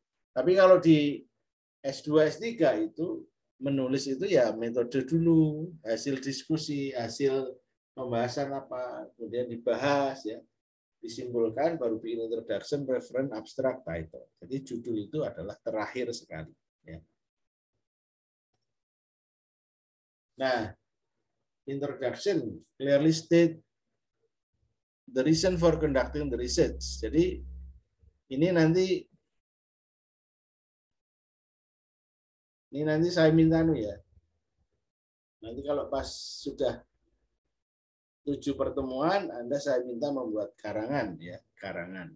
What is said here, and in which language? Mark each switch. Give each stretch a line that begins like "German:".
Indonesian: Tapi kalau di S2, S3 itu, menulis itu ya metode dulu, hasil diskusi, hasil pembahasan apa, kemudian dibahas, ya. Disimpulkan, baru bikin introduction, reference, abstract, title. Jadi judul itu adalah terakhir sekali. Ya.
English: Nah, introduction, clearly state the reason for conducting the research.
Indonesian: Jadi ini nanti saya minta nih ya. Nanti kalau pas sudah 7 pertemuan, Anda saya minta membuat karangan, ya, karangan.